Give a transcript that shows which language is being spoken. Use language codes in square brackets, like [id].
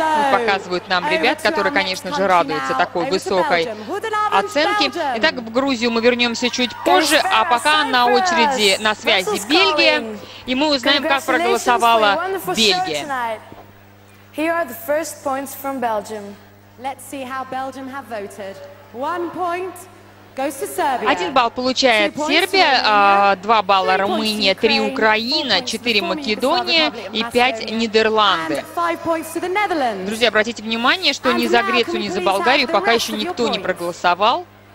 [ru] Показывают нам ребят, которые, конечно же, радуются такой высокой оценке. Итак, в Грузию мы вернемся чуть позже, а пока на очереди на связи Бельгия, и мы узнаем, как проголосовала Бельгия. [en] Here are the first points from Belgium. Let's see how Belgium have voted. One point. [ru] Один балл получает Сербия, два балла Румыния, три Украина, четыре Македония и пять Нидерланды. Друзья, обратите внимание, что ни за Грецию, ни за Болгарию пока еще никто не проголосовал.